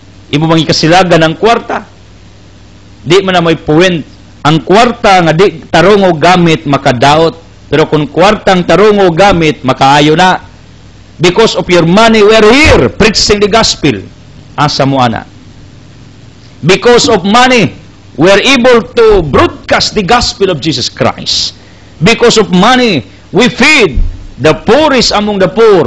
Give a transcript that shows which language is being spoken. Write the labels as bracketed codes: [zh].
[ceb] Imo bang ikasilagan ang kwarta? Di man na may puwent. Ang kwarta nga di tarungo gamit makadaot. Pero kung kwartang tarungo gamit, makaayo na. [en] Because of your money, we're here preaching the gospel. [ceb] Asa mo, ana? [en] Because of money, we're able to broadcast the gospel of Jesus Christ. Because of money, we feed the poorest among the poor.